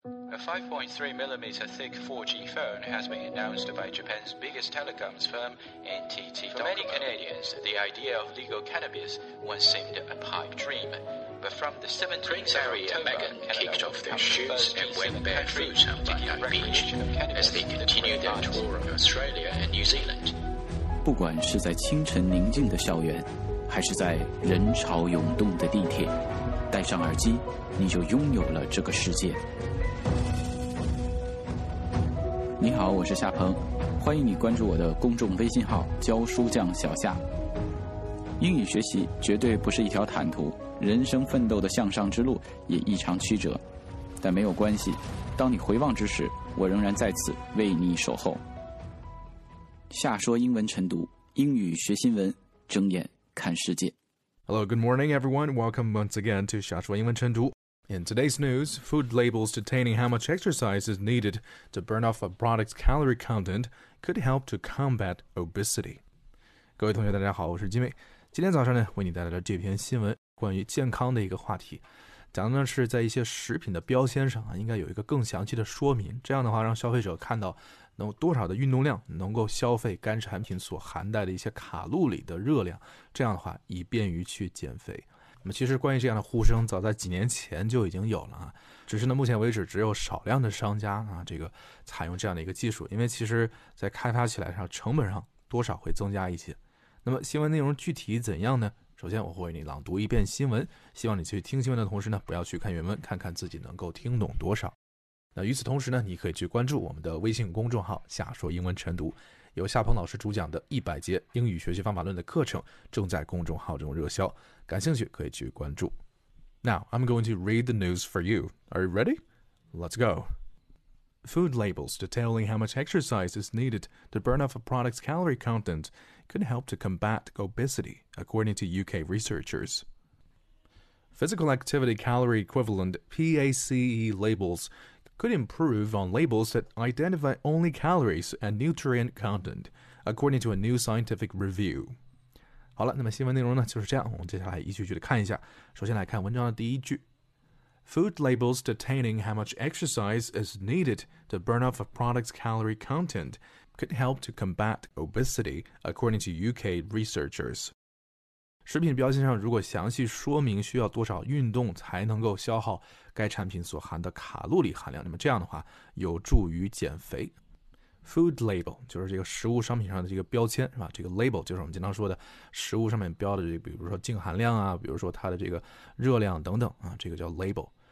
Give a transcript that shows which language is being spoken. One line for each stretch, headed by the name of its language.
English: A 5.3mm thick 4G phone has been announced by Japan's biggest telecoms firm, NTT Docomo. For many Canadians, the idea of legal cannabis once seemed a pipe dream. But from the 17th of October, Megan kicked off their shoes and went barefoot on Bondi Beach as they continued their tour of Australia and New Zealand.
Chinese: 不管是在清晨宁静的校园，还是在人潮涌动的地铁，戴上耳机，你就拥有了这个世界。你好，我是夏鹏，欢迎你关注我的公众微信号“教书匠小夏”。英语学习绝对不是一条坦途，人生奋斗的向上之路也异常曲折，但没有关系，当你回望之时，我仍然在此为你守候。夏说英文晨读，英语学新闻，睁眼看世界。
English: Hello, good morning, everyone. Welcome once again to 夏说英文晨读。 In today's news, food labels detailing how much exercise is needed to burn off a product's calorie content could help to combat obesity.
Chinese: 各位同学，大家好，我是金卫。今天早上呢，为你带来了这篇新闻，关于健康的一个话题。讲的是在一些食品的标签上啊，应该有一个更详细的说明，这样的话让消费者看到能多少的运动量，能够消费该产品所含带的一些卡路里的热量，这样的话以便于去减肥。那么其实关于这样的呼声早在几年前就已经有了啊，只是呢目前为止只有少量的商家啊这个采用这样的一个技术，因为其实在开发起来上成本上多少会增加一些。那么新闻内容具体怎样呢？首先我会为你朗读一遍新闻，希望你去听新闻的同时呢不要去看原文，看看自己能够听懂多少。那与此同时呢，你可以去关注我们的微信公众号夏说英文晨读，由夏鹏老师主讲的100节英语学习方法论的课程正在公众号中热销，感兴趣可以去关注。
English: Now, I'm going to read the news for you. Are you ready? Let's go. Food labels detailing how much exercise is needed to burn off a product's calorie content could help to combat obesity, according to UK researchers. Physical activity calorie equivalent PACE labels could improve on labels that identify only calories and nutrient content, according to a new scientific review.
Chinese: 好了，那么新闻内容呢就是这样，我们接下来一句句的看一下。首先来看文章的第一句。
English: Food labels detailing how much exercise is needed to burn off a product's calorie content could help to combat obesity, according to UK researchers.
Chinese: 食品标签上如果详细说明需要多少运动才能够消耗该产品所含的卡路里含量，那么这样的话有助于减肥。 Food label 就是这个食物商品上的这个标签，是吧？这个 label 就是我们经常说的食物上面标的，这个比如说净含量啊，比如说它的这个热量等等啊，这个叫 label。